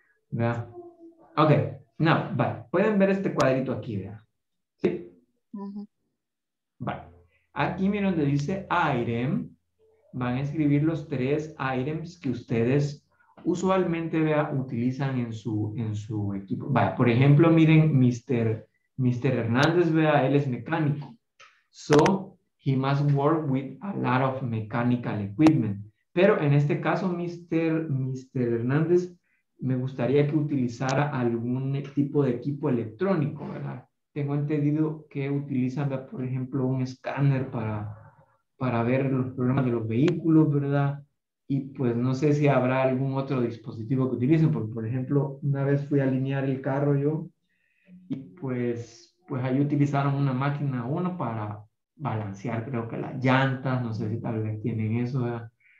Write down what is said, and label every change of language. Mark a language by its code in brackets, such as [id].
[es] ¿Vean? Ok, no, vale. Pueden ver este cuadrito aquí, ¿vean? ¿Sí? Uh-huh. Vale. Aquí miren donde dice item, van a escribir los tres items que ustedes usualmente, vea, utilizan en su equipo. Vaya, por ejemplo, miren, Mr. Hernández, vea, él es mecánico. [en] So, he must work with a lot of mechanical equipment. [es] Pero en este caso, Mr. Hernández, me gustaría que utilizara algún tipo de equipo electrónico, ¿verdad? Tengo entendido que utilizan, vea, por ejemplo, un escáner para ver los problemas de los vehículos, ¿verdad? Y pues no sé si habrá algún otro dispositivo que utilicen, porque por ejemplo, una vez fui a alinear el carro yo, y pues ahí utilizaron una máquina uno para balancear, creo que las llantas, no sé si tal vez tienen eso, ¿verdad?